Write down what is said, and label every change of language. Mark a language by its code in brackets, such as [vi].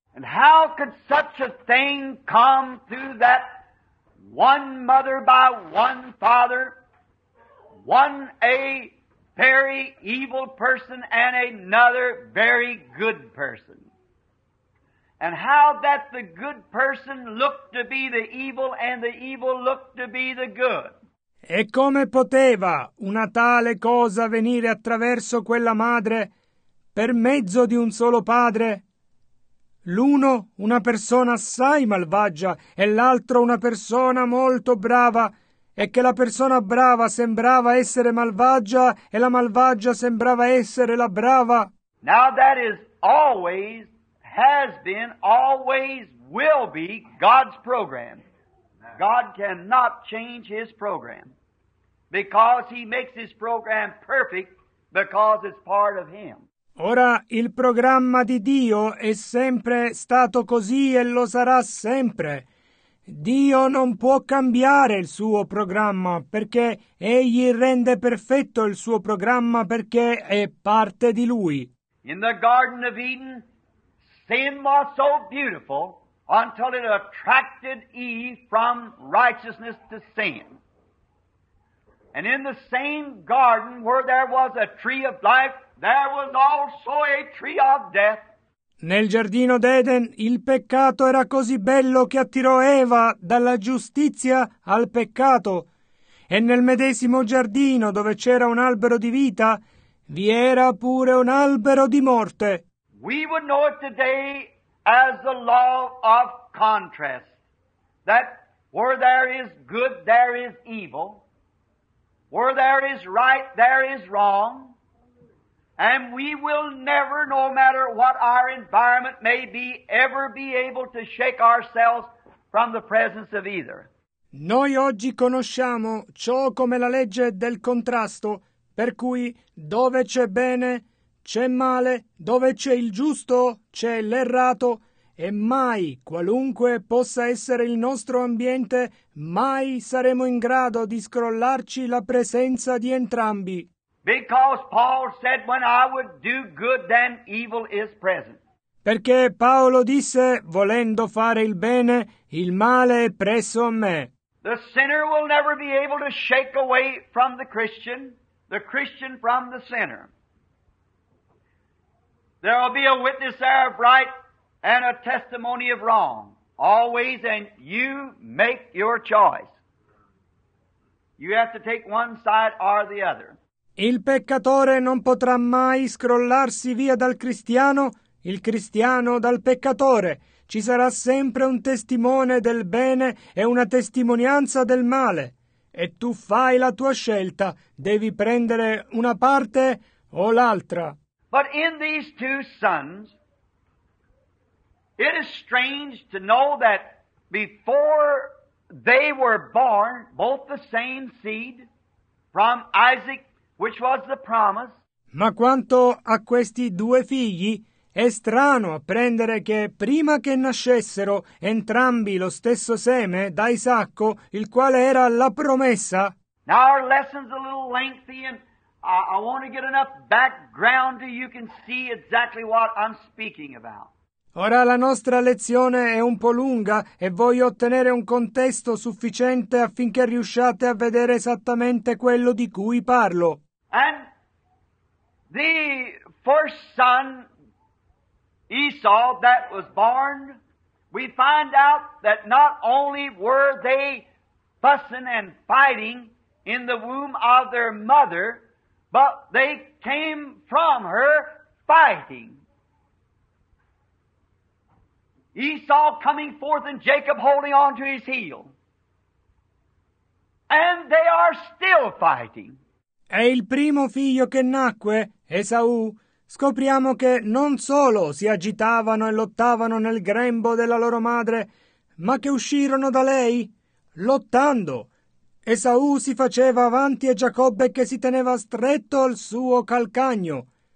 [en] And how could such a thing come through that one mother by one father, one a very evil person and another very good person? And how that the good person looked to be the evil and the evil looked to be the good? [it] E come poteva una tale cosa venire attraverso quella madre per mezzo di un solo padre? L'uno una persona assai malvagia e l'altro una persona molto brava, e che la persona brava sembrava essere malvagia e la malvagia sembrava essere la brava. [en] Now that is always, has been, always will be God's program. God cannot change his program because he makes his program perfect because it's part of him. [it] Ora, il programma di Dio è sempre stato così e lo sarà sempre. Dio non può cambiare il suo programma perché egli rende perfetto il suo programma perché è parte di lui. [en] In the Garden of Eden, sin was so beautiful until it attracted Eve from righteousness to sin. And in the same garden where there was a tree of life, there was also a tree of death. [it] Nel giardino d'Eden il peccato era così bello che attirò Eva dalla giustizia al peccato. E nel medesimo giardino dove c'era un albero di vita, vi era pure un albero di morte. [en] We would know it today as the law of contrast. That where there is good, there is evil. Where there is right, there is wrong. And we will never, no matter what our environment may be, ever be able to shake ourselves from the presence of either. [it] Noi oggi conosciamo ciò come la legge del contrasto, per cui dove c'è bene, c'è male, dove c'è il giusto, c'è l'errato, e mai, qualunque possa essere il nostro ambiente, mai saremo in grado di scrollarci la presenza di entrambi. [en] Because Paul said, when I would do good, then evil is present. [it] Perché Paolo disse, volendo fare il bene, il male è presso a me. [en] The sinner will never be able to shake away from the Christian from the sinner. There will be a witness there of right and a testimony of wrong, always, and you make your choice. You have to take one side or the other. [it] Il peccatore non potrà mai scrollarsi via dal cristiano, il cristiano dal peccatore. Ci sarà sempre un testimone del bene e una testimonianza del male. e tu fai la tua scelta, devi prendere una parte o l'altra. [en] But in these two sons, it is strange to know that before they were born, both the same seed from Isaac, which was the promise. [it] Ma quanto a questi due figli, è strano apprendere che prima che nascessero entrambi lo stesso seme da Isacco, il quale era la promessa. [en] Now our lesson's a little lengthy and I want to get enough background so you can see exactly what I'm speaking about. [it] Ora la nostra lezione è un po' lunga e voglio ottenere un contesto sufficiente affinché riusciate a vedere esattamente quello di cui parlo. [en] And the first son, Esau, that was born, we find out that not only were they fussing and fighting in the womb of their mother, but they came from her fighting. Esau coming forth and Jacob holding on to his heel. And they are still fighting. [it] E il primo figlio che nacque, Esau, scopriamo che non solo si agitavano e lottavano nel grembo della loro madre, ma che uscirono da lei lottando. Esau si faceva avanti a Giacobbe che si teneva stretto al suo calcagno.